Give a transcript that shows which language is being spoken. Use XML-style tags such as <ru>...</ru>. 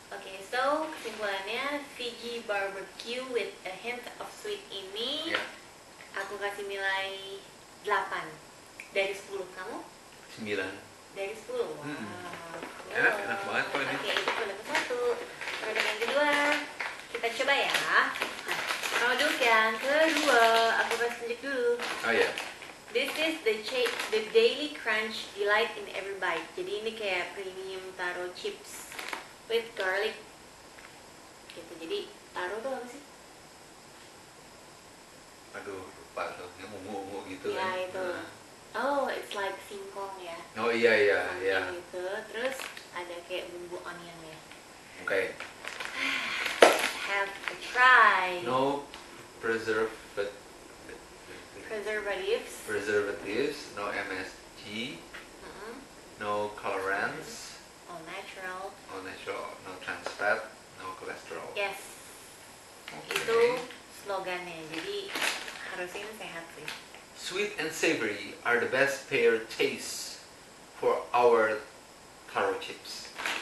<id>Okay, so kesimpulannya Veggie barbecue with a hint of sweet ini aku kasih nilai 8 dari 10. Kamu? 9 dari 10. Enak banget kok ini. Okay, itu produk satu. Produk yang kedua kita coba ya. Produk yang kedua aku kasih tunjuk dulu. Oh iya.</id> <en>This is the daily crunch delight in every bite.</en> <id>Jadi ini kayak</id> <en>premium taro chips with garlic.</en> <id>Gitu. Jadi taro tuh apa sih? Aduh, lupa soalnya ungu-ungu gitu. Iya, yeah, itu. Nah.</id> <en>Oh, it's like</en> <id>singkong ya. Oh iya iya iya. Gitu. Terus ada kayak bumbu onion ya. Oke. Okay.</id> <en>Have a try. No preserve but Preservatives, no MSG, uh-huh. No colorants, all natural, no trans fat, no cholesterol. Yes, okay.</en> <id>Itu slogannya, jadi harusnya sehat sih.</id> <en>Sweet and savory are the best pair taste for our taro chips.</en>